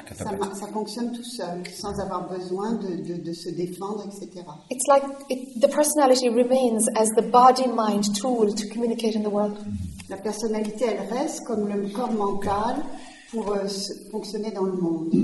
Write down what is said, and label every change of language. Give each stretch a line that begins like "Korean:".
French: Ça fonctionne tout seul, sans avoir besoin de se défendre, etc.
English: It's like the personality remains as the body-mind tool to communicate in the world.
French: La personnalité, elle reste comme le corps mental pour fonctionner dans le monde.